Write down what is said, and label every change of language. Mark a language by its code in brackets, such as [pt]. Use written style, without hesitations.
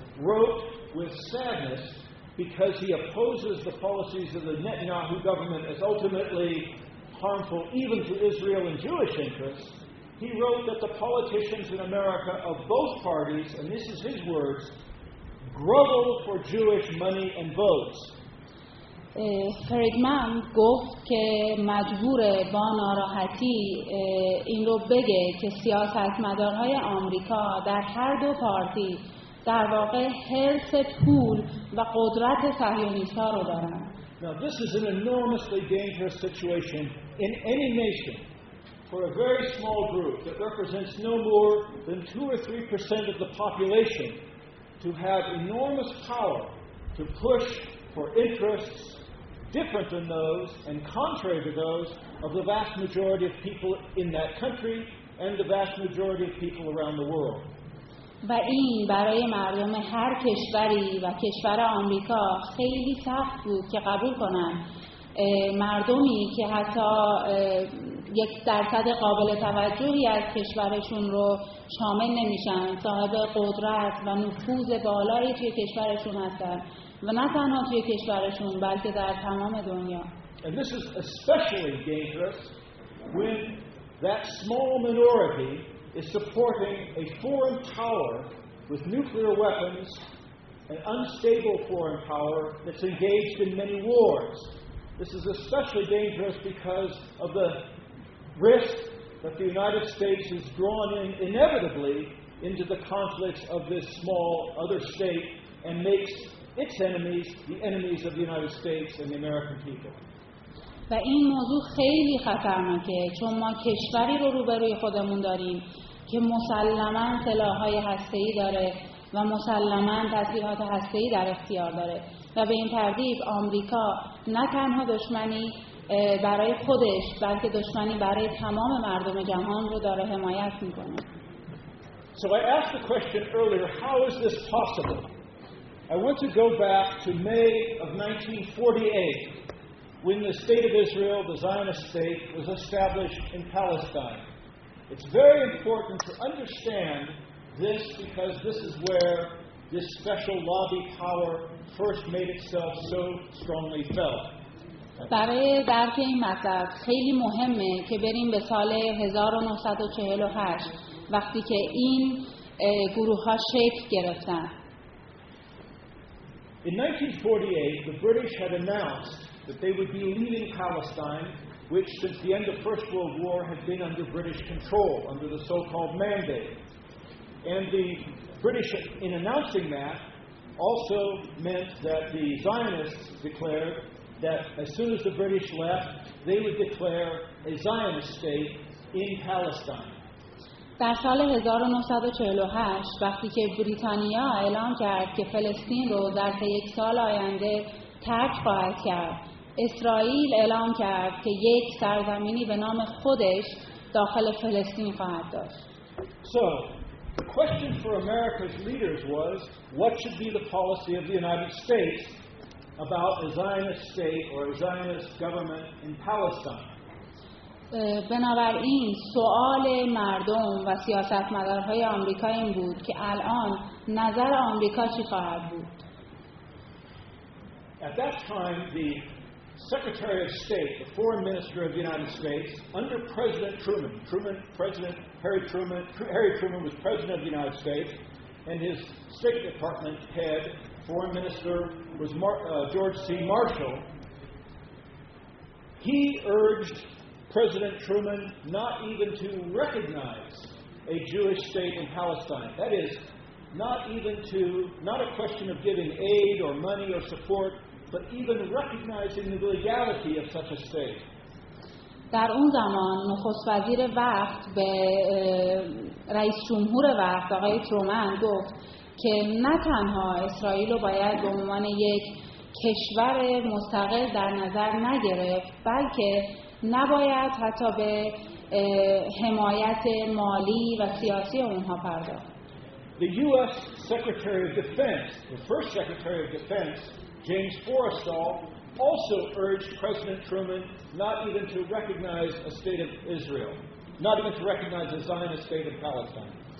[en] wrote with sadness because he opposes the policies of the Netanyahu government as ultimately harmful even to Israel and Jewish interests. He wrote that the politicians in America of both parties, and this is his words, grovel for Jewish money and votes. [fa] فریدمن گفت که مجبور با ناراحتی این رو بگه که سیاستمدارهای آمریکا در هر دو پارتی در واقع حرص پول و قدرت صهیونیست‌ها رو دارن. [en] Now this is an enormously dangerous situation in any nation for a very small group that represents no more than 2-3% of the population to have enormous power to push for interests different than those and contrary to those of the vast majority of people in that country and the vast majority of people around the world. [fa] و این برای مردم هر کشوری و کشور آمریکا خیلی سخت بود که قبول کنن مردمی که حتی یک درصد قابل توجهی از کشورشون رو شامل نمیشن صاحب قدرت و نفوذ بالایی توی کشورشون هستن و نه تنها توی کشورشون بلکه در تمام دنیا. [en] And this is especially dangerous when that small minority is supporting a foreign power with nuclear weapons, an unstable foreign power that's engaged in many wars. This is especially dangerous because of the risk that the United States is drawn in inevitably into the conflicts of this small other state and makes its enemies the enemies of the United States and the American people. [fa] و این موضوع خیلی خطرناکه چون ما کشوری رو روبروی خودمون داریم که مسلماً سلاح‌های هسته‌ای داره و مسلماً تسلیحات هسته‌ای در اختیار داره و به این ترتیب آمریکا نه تنها دشمنی برای خودش بلکه دشمنی برای تمام مردم جهان رو داره حمایت میکنه. [en] So I asked the question earlier, how is this possible? I want to go back to May of 1948 when the state of Israel, the Zionist state, was established in Palestine. It's very important to understand this because this is where this special lobby power first made itself so strongly felt. [fa] برای درک این مطلب خیلی مهمه که بریم به سال 1948 وقتی که این گروه ها شکل گرفتن. [en] In 1948, the British had announced that they would be leaving Palestine, which since the end of First World War had been under British control, under the so-called Mandate. And the British, in announcing that, also meant that the Zionists declared that as soon as the British left, they would declare a Zionist state in Palestine. [fa] در سال 1948 وقتی که بریتانیا اعلام کرد که فلسطین رو در طی یک سال آینده ترک خواهد کرد، اسرائیل اعلام کرد که یک سرزمینی به نام خودش داخل فلسطین خواهد داشت. [en] So, the question for America's leaders was, what should be the policy of the United States about a Zionist state or a Zionist government in Palestine? [fa] بنابراین سوال مردم و سیاستمدارهای آمریکا این بود که الان نظر آمریکا چی خواهد بود. [en] At that time the Secretary of State, the Foreign Minister of the United States under President Truman, Harry Truman was President of the United States and his State Department head Foreign Minister was George C. Marshall. He urged President Truman not even to recognize a Jewish state in Palestine. That is, not a question of giving aid or money or support, but even recognizing the legality of such a state. [fa] در اون زمان نخست وزیر وقت به رئیس جمهور وقت آقای ترومن گفت که نه تنها اسرائیل رو باید به عنوان یک کشور مستقل در نظر نگرفت بلکه نباید حتی به حمایت مالی و سیاسی اونها پرداخت. [en] The US Secretary of Defense, the first Secretary of Defense, James Forrestal, also urged President Truman not even to recognize a state of Israel, not even to recognize a Zionist state of Palestine.